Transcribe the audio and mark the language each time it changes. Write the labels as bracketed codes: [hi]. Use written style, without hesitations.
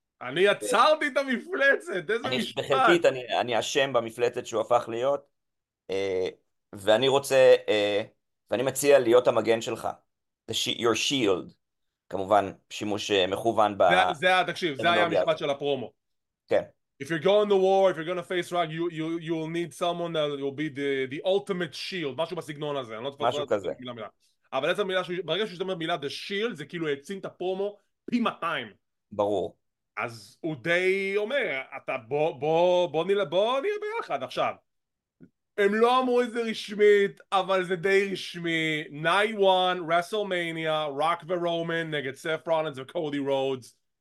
[he] אני יצרתי את המפלצת, איזה אני, משפט. בחלקית, אני אשם במפלצת שהוא הפך להיות, ואני רוצה, ואני מציע להיות המגן שלך. [en] Your shield. [he] כמובן, שימוש מכוון תקשיב, זה היה המשפט של הפרומו. כן. [en] If you're going to war, if you're going to face rock, you will need someone that will be the ultimate shield. [he] משהו בסגנון הזה. משהו כזה. מילה, מילה. אבל איזה מילה, ברגע שאתה אומר מילה, the shield, זה כאילו יצין את הפרומו פי 200. ברור. אז הוא די אומר, אתה בוא נהיה ביחד עכשיו. הם לא אמרו את זה רשמית, אבל זה די רשמי. Night One, WrestleMania, Rock the Roman, נגד Seth Rollins וקודי רודס.